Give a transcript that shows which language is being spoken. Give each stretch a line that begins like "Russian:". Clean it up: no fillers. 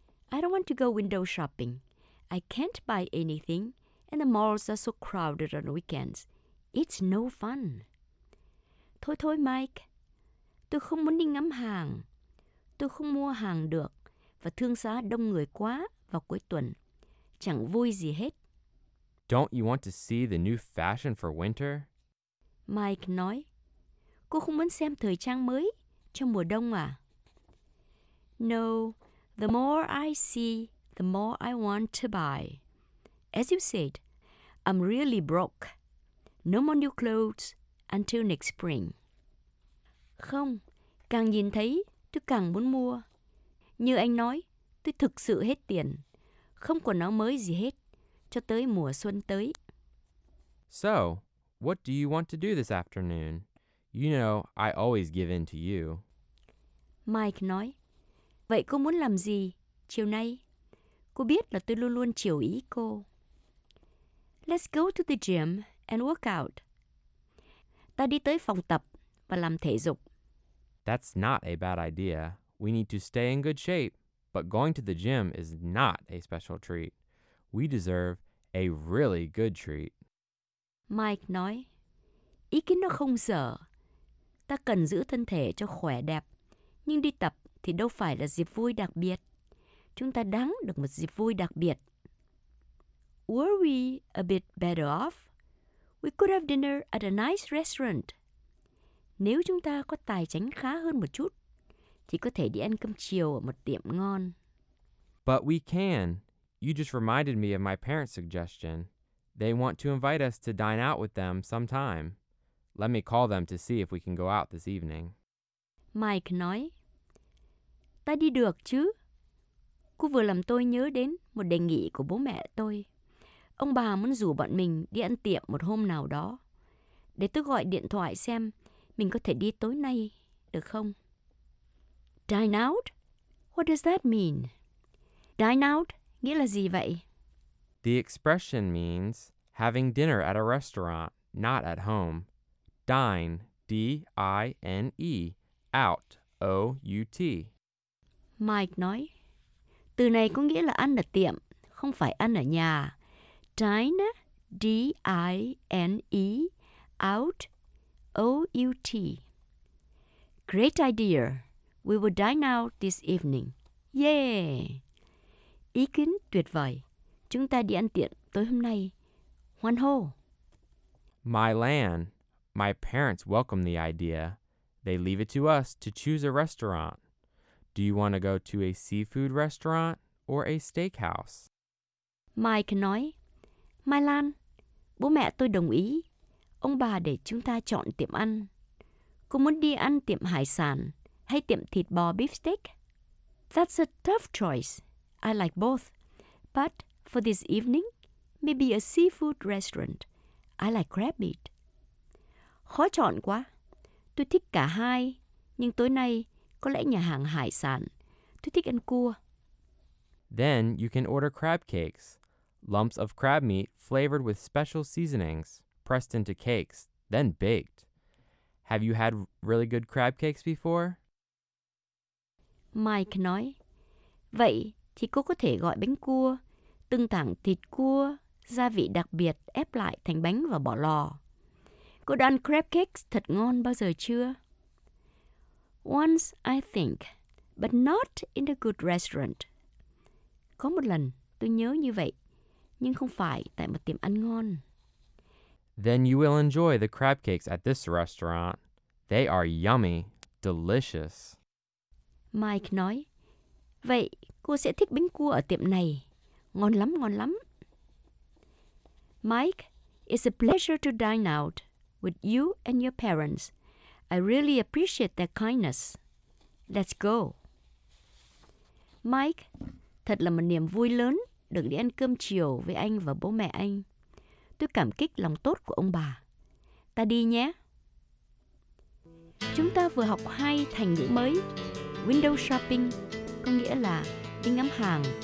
English: I don't want to go window shopping. I can't buy anything, and the malls are so crowded on weekends. It's no fun.
Vietnamese: Thôi thôi,
English: Mike.
Vietnamese: Tôi không muốn đi ngắm hàng. Tôi không mua hàng được, và thương xá đông người quá vào cuối tuần. Chẳng vui gì hết.
English: Don't you want to see the new fashion for winter?
Vietnamese: Mike nói, cô không muốn xem thời trang mới cho mùa đông à?
English: No, the more I see, the more I want to buy. As you said, I'm really broke. No more new clothes until next spring.
Vietnamese: Không, càng nhìn thấy, tôi càng muốn mua. Như anh nói, tôi thực sự hết tiền. Không quần áo mới gì hết, cho tới mùa xuân tới.
English: So, what do you want to do this afternoon? You know, I always give in to you.
Vietnamese: Mike nói, vậy cô muốn làm gì chiều nay? Cô biết là tôi luôn luôn chiều ý cô.
English: Let's go to the gym and work out.
Vietnamese: Ta đi tới phòng tập và làm thể dục.
English: That's not a bad idea. We need to stay in good shape. But going to the gym is not a special treat. We deserve a really good treat.
Vietnamese: Mike nói, ý kiến nó không dở. Ta cần giữ thân thể cho khỏe đẹp. Nhưng đi tập thì đâu phải là dịp vui đặc biệt. Chúng ta đáng được một dịp vui đặc biệt.
English: Were we a bit better off? We could have dinner at a nice restaurant.
Vietnamese: Nếu chúng ta có tài chính khá hơn một chút, thì có thể đi ăn cơm chiều ở một tiệm ngon.
English: But we can. You just reminded me of my parents' suggestion. They want to invite us to dine out with them sometime. Let me call them to see if we can go out this evening.
Vietnamese: Mike nói, ta đi được chứ? Cô vừa làm tôi nhớ đến một đề nghị của bố mẹ tôi. Ông bà muốn rủ bọn mình đi ăn tiệm một hôm nào đó. Để tôi gọi điện thoại xem mình có thể đi tối nay, được không?
English: Dine out? What does that mean? Dine out
Vietnamese: nghĩa là gì vậy?
English: The expression means having dinner at a restaurant, not at home. Dine, D-I-N-E, out, O-U-T. Mike nói, từ này có nghĩa là ăn ở tiệm, không phải ăn ở nhà. Dine, D-I-N-E, out, O-U-T. Great idea. We will dine out this evening.
Vietnamese: Yay! Ý kiến tuyệt vời. Chúng ta đi ăn tiệm tối hôm nay. Hoan hô!
English: My land. My parents welcome the idea. They leave it to us to choose a restaurant. Do you want to go to a seafood restaurant or a steakhouse?
Vietnamese: Mike nói, My Lan, bố mẹ tôi đồng ý. Ông bà để chúng ta chọn tiệm ăn. Cô muốn đi ăn tiệm hải sản hay tiệm thịt bò beefsteak?
English: That's a tough choice. I like both. But for this evening, maybe a seafood restaurant. I like crab meat.
Vietnamese: Khó chọn quá. Tôi thích cả hai, nhưng tối nay có lẽ nhà hàng hải sản. Tôi thích ăn cua.
English: Then you can order crab cakes, lumps of crab meat flavored with special seasonings, pressed into cakes, then baked. Have you had really good crab cakes before?
Vietnamese: Mike nói, vậy thì cô có thể gọi bánh cua, từng tảng thịt cua, gia vị đặc biệt ép lại thành bánh và bỏ lò. Cô đã ăn crab cakes thật ngon bao giờ chưa?
English: Once, I think, but not in a good restaurant.
Vietnamese: Có một lần, tôi nhớ như vậy, nhưng không phải tại một tiệm ăn ngon.
English: Then you will enjoy the crab cakes at this restaurant. They are yummy, delicious.
Vietnamese: Mike nói, vậy cô sẽ thích bánh cua ở tiệm này. Ngon lắm, ngon lắm.
English: Mike, it's a pleasure to dine out with you and your parents. I really appreciate their kindness. Let's go.
Vietnamese: Mike, thật là một niềm vui lớn được đi ăn cơm chiều với anh và bố mẹ anh. Tôi cảm kích lòng tốt của ông bà. Ta đi nhé. Chúng ta vừa học hai thành ngữ mới. Window shopping có nghĩa là đi ngắm hàng.